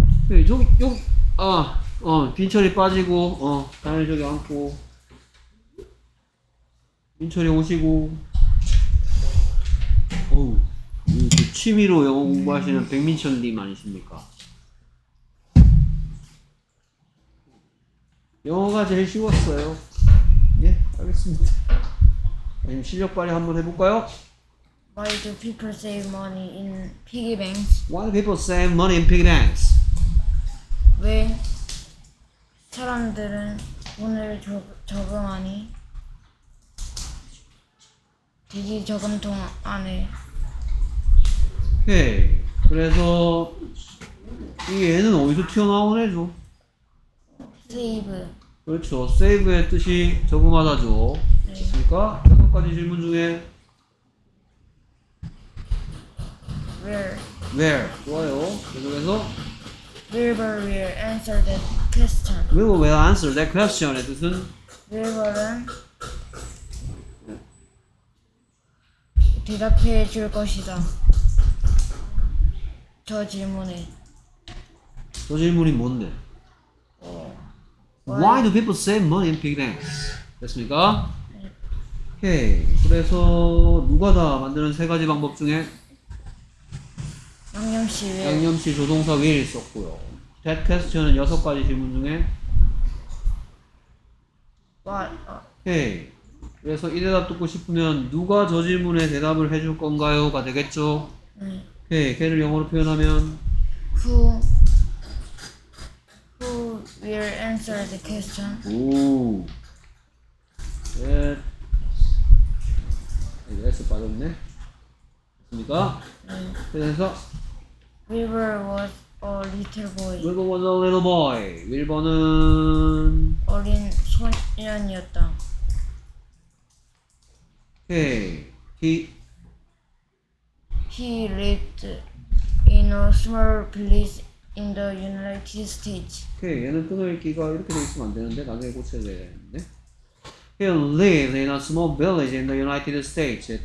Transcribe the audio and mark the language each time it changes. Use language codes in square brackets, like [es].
[ko] 예, 저기, 요, 아, 어, 빈철이 빠지고, 어, 다니엘 저기 앉고, 빈철이 오시고, 어우, 취미로 영어 공부하시는 백민천님 아니십니까? 영어가 제일 쉬웠어요. 예, 알겠습니다. 아니면 실력 발휘 한번 해볼까요? [en] Why do people save money in piggy banks? Why do people save money in piggy banks? [ko] 왜 사람들은 돈을 저금하니? 돼지 저금통 안에. 오케이. 그래서 얘는 어디서 튀어나온 애죠? [en] Save. [ko] 그렇죠. Save의 뜻이 저금하다죠. 그러니까 여섯 가지 질문 중에 [en] Where? [ko] Where? 좋아요. 계속해서 [en] Wilbur will answer that question. Wilbur will answer that question [ko] 의 뜻은 Wilbur은 대답해 줄 것이다. 저 질문에. 저 질문이 뭔데? [en] Why do people save money in piggy banks? [ko] 됐습니까? 오케이. 그래서 누가 다 만드는 세 가지 방법 중에 양념씨 will. 양념씨 조동사 will 썼고요. [en] That question [ko] 은 여섯 가지 질문 중에 [en] What? [ko] 오케이. 그래서 이 대답 듣고 싶으면 누가 저 질문에 대답을 해줄 건가요? 가 되겠죠? 오케이. 걔를 영어로 표현하면 [en] Who? Who will answer the question? [ko] 오. [en] That S [ko] 빠졌네. 됐습니까? 네. 그래서 [en] Wilbur was a little boy. Wilbur was a little boy. 윌버는 [ko] 어린 소년이었다. 오케이. [en] He lived in a small village in the United States. [ko] 오케이. 얘는 끊어읽기가 이렇게 돼 있으면 안 되는데 나중에 고쳐야 되는데. [en] He lived in a small village in the United States.